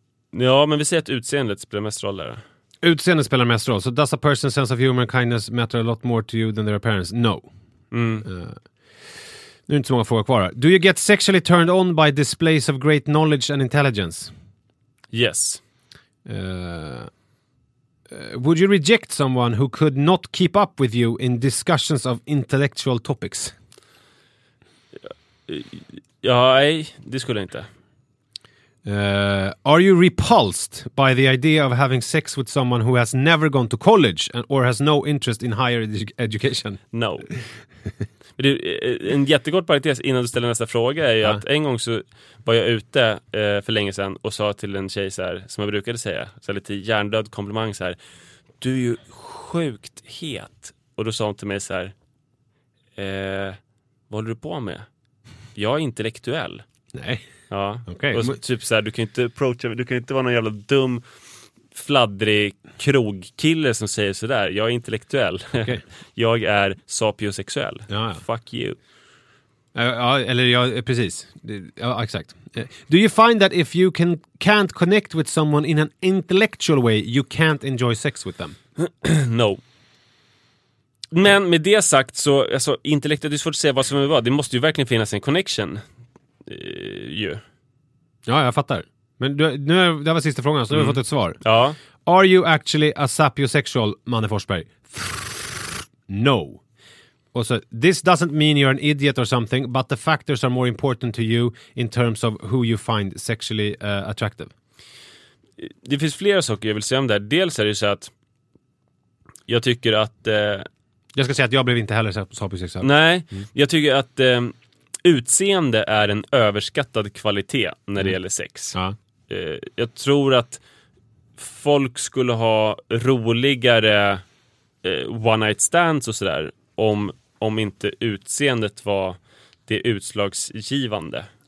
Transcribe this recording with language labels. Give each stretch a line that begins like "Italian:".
Swedish: Ja, men vi säger att utseendet spelar mest roll där. Utseendet spelar mest roll.
English: So does a person's sense of humor and kindness matter a lot more to you than their appearance? No.
Swedish: Nu är inte så många frågor kvar.
English: Do you get sexually turned on by displays of great knowledge and intelligence? Yes. Would you reject someone who could not keep up with you in discussions of intellectual topics?
Swedish: Ja, nej, det skulle jag inte.
English: Are you repulsed by the idea of having sex with someone who has never gone to college and, or has no interest in higher education? No.
Swedish: Men det, en jättegott parentes innan du ställer nästa fråga är ju att en gång så var jag ute för länge sedan och sa till en tjej så här, som jag brukade säga, så här lite hjärndöd komplimang så här, du är ju sjukt het. Och då sa hon till mig så här, vad håller du på med? Jag är intellektuell. Nej. Ja, okay. Och typ så här, du kan inte approacha, du kan inte vara någon jävla dum fladdrig krogkille som säger så där. Jag är intellektuell. Okay. Jag är sapiosexuell. Ja, ja.
English: Fuck you.
Swedish: Ja, eller jag precis. Ja, exakt.
English: Do you find that if you can't connect with someone in an intellectual way, you can't enjoy sex with them? No.
Swedish: Men med det sagt så alltså intellektuellt, det är svårt att säga vad som är vad. Det måste ju verkligen finnas en connection. Ja, jag fattar. Men du, nu är, det var sista frågan, så nu har vi fått ett svar. Ja.
English: Are you actually a sapiosexual, Manne Forsberg? No.
Swedish: Och så,
English: this doesn't mean you're an idiot or something, but the factors are more important to you in terms of who you find sexually attractive.
Swedish: Det finns flera saker jag vill säga om det här. Dels är det så att jag tycker att... Jag ska säga att jag blev inte heller sapiosexuell. Nej, jag tycker att... utseende är en överskattad kvalitet när det gäller sex. Ja. Jag tror att folk skulle ha roligare one night stands och sådär om inte utseendet var det utslagsgivande.